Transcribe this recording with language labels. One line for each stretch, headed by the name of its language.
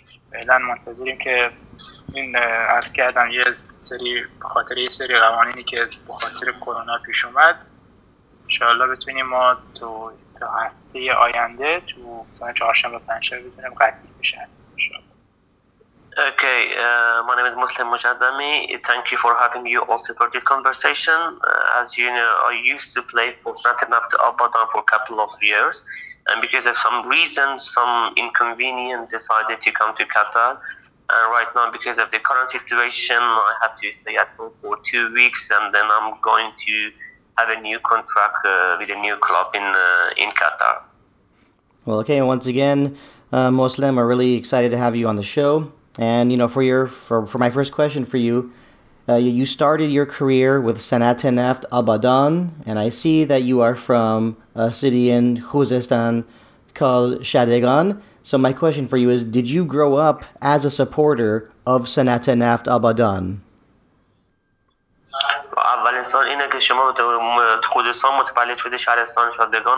Persian: فعلا منتظریم که این عرض کردم یه سری بخاطر یه سری قوانینی که بخاطر کرونا پیش اومد انشاءالله بتونیم ما تو هفته آینده تو مثلا چهارشنبه پنجشنبه بتونیم قطعی بشه
English: Okay, my name is Muslim Mojadami. Thank you for having you also for this conversation. As you know, I used to play for Sultan Abdul Abadan for a couple of years. And because of some reason, some inconvenience, decided to come to Qatar. And right now, because of the current situation, I have to stay at home for 2 weeks. And then I'm going to have a new contract with a new club in Qatar. Well, okay, once again, Muslim, I'm really excited to have you on the show. And, you know, for my first question for you, you started your career with Sanat-e Neft Abadan, and I see that you are from a city in Khuzestan called Shadegan. So my question for you is, did you grow up as a supporter of Sanat-e Neft Abadan?
Persian: اول سال اینه که شما تو خوزستان متولد شده شهرستان شادگان.